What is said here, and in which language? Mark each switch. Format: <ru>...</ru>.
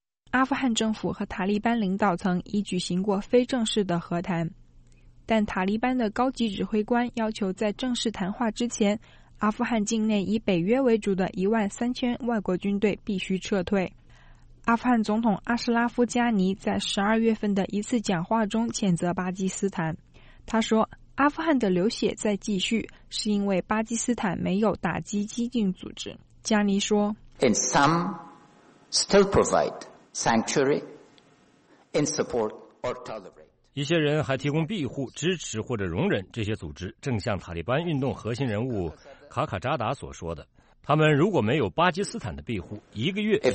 <zh>阿富汗政府和塔利班领导层已举行过非正式的和谈，但塔利班的高级指挥官要求在正式谈话之前，阿富汗境内以北约为主的13000外国军队必须撤退。阿富汗总统阿什拉夫加尼在12月份的一次讲话中谴责巴基斯坦，他说阿富汗的流血在继续是因为巴基斯坦没有打击激进组织。加尼说</zh> <en>And some still provide sanctuary in support or tolerate.</en> <zh>一些人还提供庇护、支持或者容忍这些组织，正像塔利班运动核心人物卡卡扎达所说的，他们如果没有巴基斯坦的庇护，一个月也</zh>